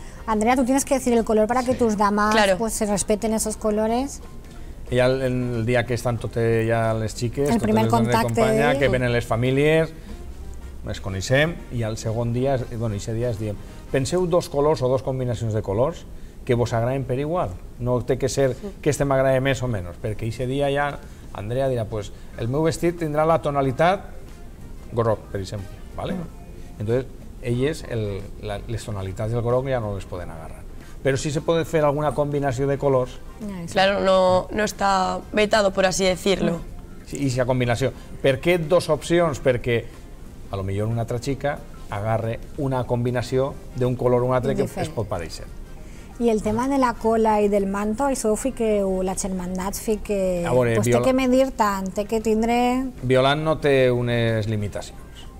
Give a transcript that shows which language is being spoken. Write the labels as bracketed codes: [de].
[es] Andrea, tu tienes que decir el color para que tus damas pues se respeten esos colores. [ca] I el dia que estan totes ja les xiques... El primer contacte... Que venen les famílies, les coneixem, i el segon dia, bueno, ixe dia es diem... Penseu dos colors o dos combinacions de colors que vos agraden per igual. No té que ser que este m'agrada més o menys, perquè ixe dia ja Andrea dirà, pues el meu vestit tindrà la tonalitat groc, per exemple, ¿vale? Entonces, elles, les tonalitats del groc ja no les poden agarrar. Però sí [es] se puede [ca] fer alguna combinació de colors. [es] Claro, no está vetado, por así decirlo. [ca] Sí, i si la combinació. Per què dos opcions? Perquè, a lo millor, una altra xica agarre una combinació d'un color o un altre que es pot pareixer. I el tema de la cola i del manto, això ho fiqueu, la germandat fiqueu... A veure, Violant... Té que medir tant, té que tindre... Violant no té unes limitacions.